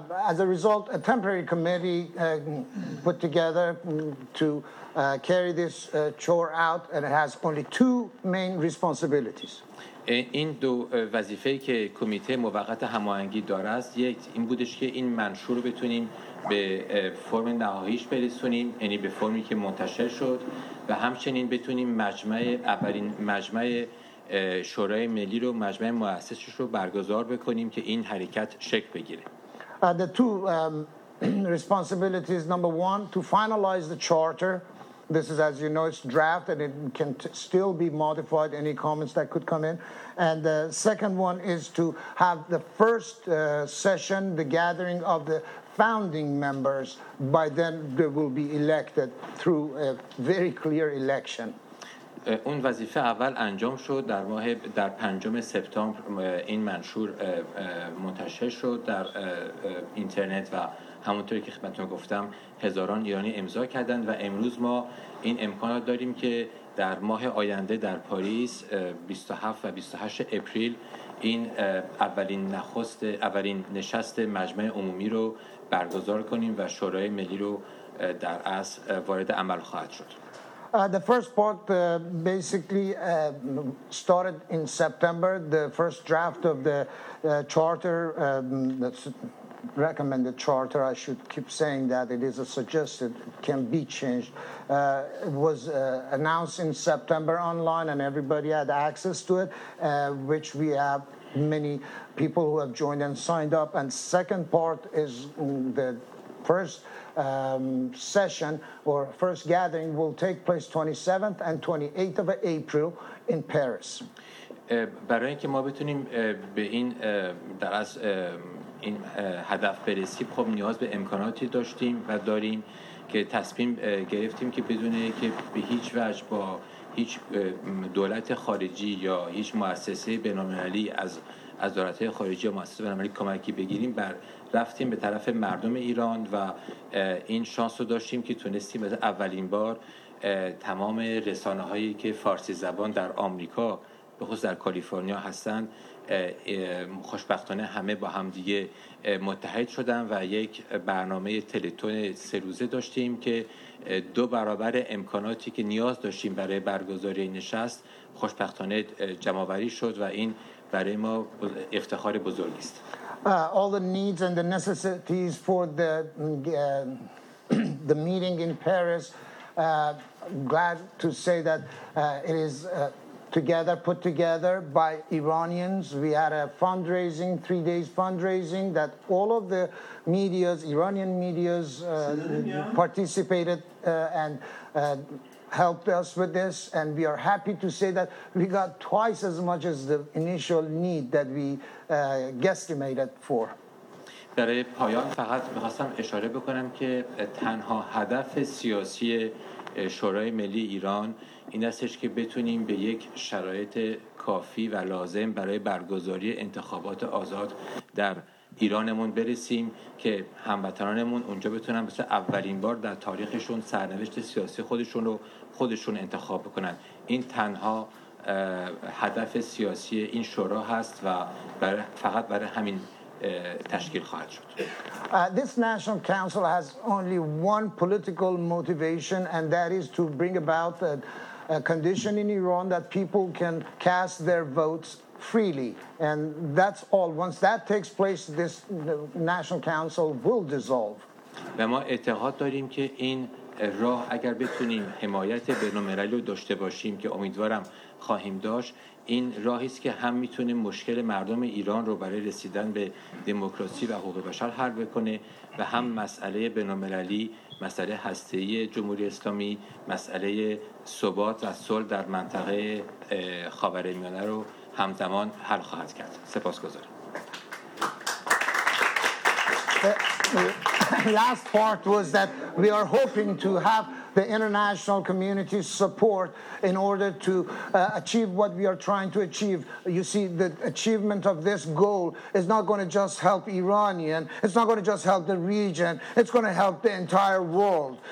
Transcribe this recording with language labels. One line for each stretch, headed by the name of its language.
English: As a result, a temporary committee put together to carry this chore out, and it has only two main responsibilities.
Persian: این دو وظیفه که کمیته موقت هماهنگی داره است، یک این بودش که این منشور بتونیم به فرم نهاییش برسونیم، یعنی به فرمی که منتشر شد، و همچنین بتونیم مجمع اولین مجمع شورای ملی رو، مجمع مؤسسش رو برگزار بکنیم که این حرکت شکل بگیره.
English: The two responsibilities, number one, to finalize the charter. This is, as you know, it's draft and it can still be modified, any comments that could come in. And the second one is to have the first session, the gathering of the founding members. By then they will be elected through a very clear election.
Persian: اون وظیفه اول انجام شد در ماه در 5 سپتامبر این منشور منتشر شد در اینترنت و همونطوری که خدمتتون گفتم هزاران ایرانی امضا کردند و امروز ما این امکانات داریم که در ماه آینده در پاریس 27 و 28 اپریل این اولین نشست مجمع عمومی رو برگزار کنیم و شورای ملی رو در اصل وارد عمل خواهد شد.
English: The first part basically started in September. The first draft of the charter, that's recommended charter, I should keep saying that it is a suggested, can be changed, was announced in September online and everybody had access to it, which we have many people who have joined and signed up. And second part is the first session or first gathering will take place 27th and 28th of April in Paris.
Persian: برای اینکه ما بتونیم به این در از این هدف برسیم، خب نیاز به امکاناتی داشتیم و داریم که تصمیم گرفتیم که بدون اینکه به هیچ وجه با هیچ دولت خارجی یا هیچ مؤسسه بین‌المللی از دولت‌های خارجی یا مؤسسه بین‌المللی کمکی بگیریم، بر رفتیم به طرف مردم ایران و این شانس رو داشتیم که تونستیم از اولین بار تمام رسانه‌هایی که فارسی زبان در آمریکا به خصوص در کالیفرنیا هستن، خوشبختانه همه با هم دیگه متحد شدن و یک برنامه تلتون 3 روزه داشتیم که دو برابر امکاناتی که نیاز داشتیم برای برگزاری نشست خوشبختانه جمع‌آوری شد و این برای ما افتخار بزرگی است.
English: All the needs and the necessities for the meeting in Paris, glad to say that it is together, put together by Iranians. We had a fundraising, 3 days fundraising that all of the medias, Iranian medias, participated and helped us with this. And we are happy to say that we got twice as much as the initial need that we guesstimated for.
Persian: برای پایان فقط می‌خواستم اشاره بکنم که تنها هدف سیاسی شورای ملی ایران این استش که بتونیم به یک شرایط کافی و لازم برای برگزاری انتخابات آزاد در ایرانمون برسیم که هموطنانمون اونجا بتونن مثل اولین بار در تاریخشون سرنوشت سیاسی خودشون رو خودشون انتخاب بکنن. این تنها هدف سیاسی این شورا هست و فقط برای همین تشکیل خواهد شد.
English: This National Council has only one political motivation, and that is to bring about a condition in Iran that people can cast their votes freely, and that's all. Once that takes place, this National Council will dissolve.
Persian: و ما اعتقاد داریم که این راه اگر بتونیم حمایت بین‌المللی رو داشته باشیم که امیدوارم خواهیم داشت، این راهی است که هم میتونه مشکل مردم ایران رو برای رسیدن به دموکراسی و حقوق بشر حل بکنه و هم مسئله بین‌المللی، مسئله هسته‌ای جمهوری اسلامی، مسئله ثبات و صلح در منطقه خاورمیانه رو همزمان حل خواهد کرد. سپاسگزارم.
English: Last part was that we are hoping to have the international community support in order to achieve what we are trying to achieve. You see, the achievement of this goal is not going to just help Iranian, it's not going to just help the region, it's going to help the entire world.